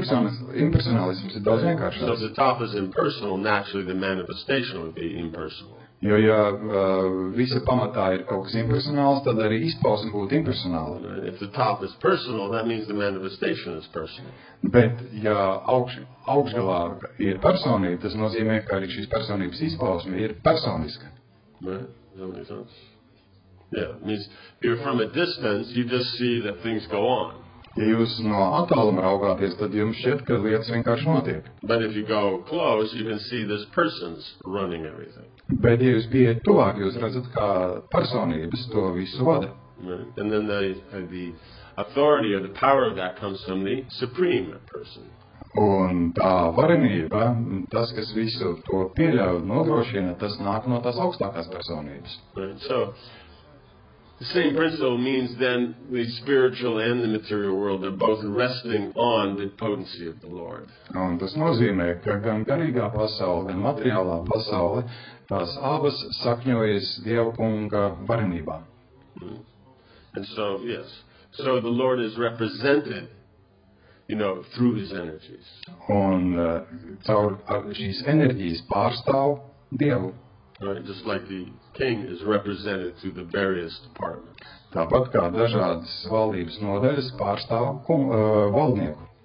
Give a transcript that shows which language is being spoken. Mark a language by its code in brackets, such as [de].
[lv] Impersonalisms ir daudz vienkāršāks. [en] So if the top is impersonal, naturally the manifestation would be impersonal. [lv] Jo ja visa pamatā ir kaut kas impersonāls, tad arī izpausme būtu impersonāla. [en] If the top is personal, that means the manifestation is personal. [lv] Bet ja augšgalā ir personība, tas nozīmē, ka arī šīs personības izpausme ir personiska. [en] Means you're from a distance, you just see that things go on. [lv] Ja jūs no attāluma raugāties, tad jums šķiet, ka lietas vienkārši notiek. [en] But if you go close, you can see this person's running everything. [lv] Bet, ja jūs bijat tuvāk, jūs redzat, kā personības to visu vada. [en] Right. And then the authority or the power of that comes from the supreme person. [lv] Un tā varenība, tas, kas visu to pieļauj un nodrošina, tas nāk no tās augstākās personības. [en] Right. So, the same principle means then the spiritual and the material world are both resting on the potency of the Lord. [lv] Un tas nozīmē, ka gan garīgā pasaule, gan materiālā pasaule, tās abas sakņojas Dievkunga varenībā. [en] And so, yes, so the Lord is represented, you know, through his energies. [lv] Un caur šīs enerģijas pārstāv Dievu. [en] Right, just like the king is represented through the various departments. [lv] Tāpat kā dažādas valdības nodaļas pārstāv valdnieku.